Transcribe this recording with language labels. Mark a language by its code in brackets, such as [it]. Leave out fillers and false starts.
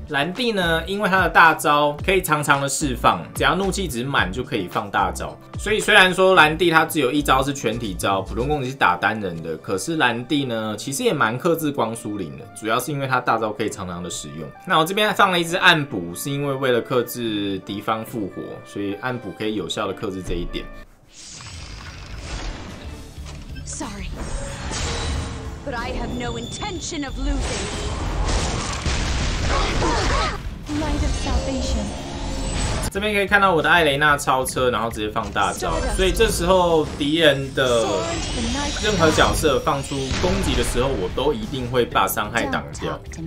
[zh] 兰蒂呢，因为他的大招可以常常的释放，只要怒气值满就可以放大招，所以虽然说兰蒂他只有一招是全体招，普通攻击是打单人的，可是兰蒂呢，其实也蛮克制光书灵的，主要是因为他大招可以常常的使用。那我这边放了一只暗补，是因为为了克制敌方复活，所以暗补可以有效的克制这一点。 [en] Sorry, but I have no intention of losing. Light of salvation. [zh] 这边可以看到我的艾雷娜超车，然后直接放大招，所以这时候敌人的任何角色放出攻击的时候，我都一定会把伤害挡掉。